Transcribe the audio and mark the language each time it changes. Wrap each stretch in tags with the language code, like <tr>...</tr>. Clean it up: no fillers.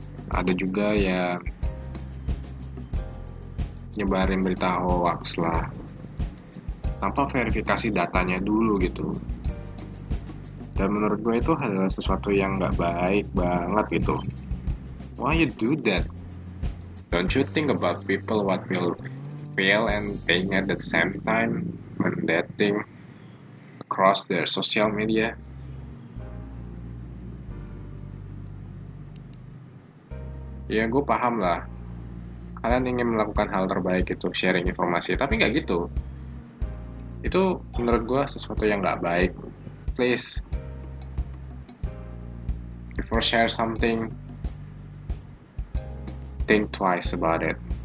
<id>Ada juga ya nyebarin berita hoax lah tanpa verifikasi datanya dulu gitu. Dan menurut gue itu adalah sesuatu yang gak baik banget gitu.</id> <en>Why you do that? Don't you think about people what will feel and think at the same time when dating across their social media?</en> <id>Ya gue paham lah, kalian ingin melakukan hal terbaik itu, sharing informasi, tapi gak gitu. Itu menurut gue sesuatu yang gak baik.</id> <en>Please, before share something, think twice about it.</en>